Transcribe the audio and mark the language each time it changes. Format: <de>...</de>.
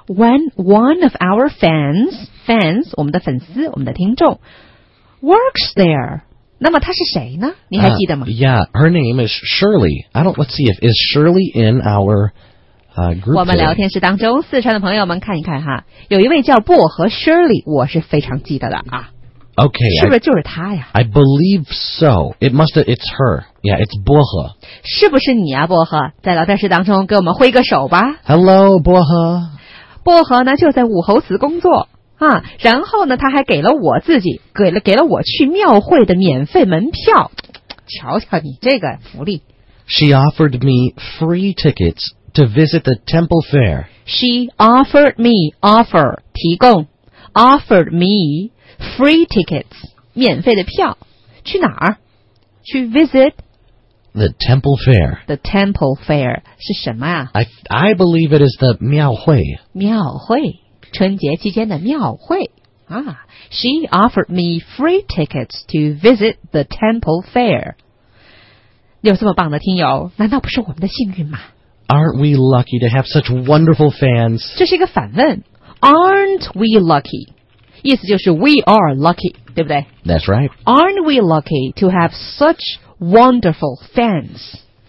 <en>When one of our fans</en> <zh>我们的粉丝我们的听众</zh> <en>Works there</en> <zh>那么他是谁呢你还记得吗、</zh> <en>Yeah, her name is Shirley I don't, Let's see if is Shirley in ourgroup</en> <zh>我们聊天室当中四川的朋友们看一看哈有一位叫薄荷 Shirley 我是非常记得的啊</zh> <en>okay,</en> <zh>是不是就是他呀</zh> <en>I believe so it's her yeah it's 薄荷</en> <zh>是不是你啊薄荷在聊天室当中给我们挥个手吧</zh> <en>hello 薄荷</en> <zh>薄荷呢就在武侯祠工作啊然后呢他还给了我自己给了我去庙会的免费门票瞧瞧你这个福利</zh> <en>She offered me free tickets to visit the temple fair. She offered me, offer, 提供, offered me free tickets,</en> <zh>免费的票。去哪儿？去</zh> <en>visit the temple fair. The temple fair</en> <zh>是什么啊？</zh> <en>I believe it is the 庙会。</en> <zh>庙会，春节期间的庙会啊。</zh> <en>She offered me free tickets to visit the temple fair.</en> <zh>有这么棒的听友，难道不是我们的幸运吗？</zh> <en>Aren't we lucky to have such wonderful fans?</en> <zh>这是一个反问。</zh> <en>Aren't we lucky?</en> <zh>意思就是</zh> <en>we are lucky,</en> <zh>对不对?</zh> <en>That's right. Aren't we lucky to have such wonderful fans?</en>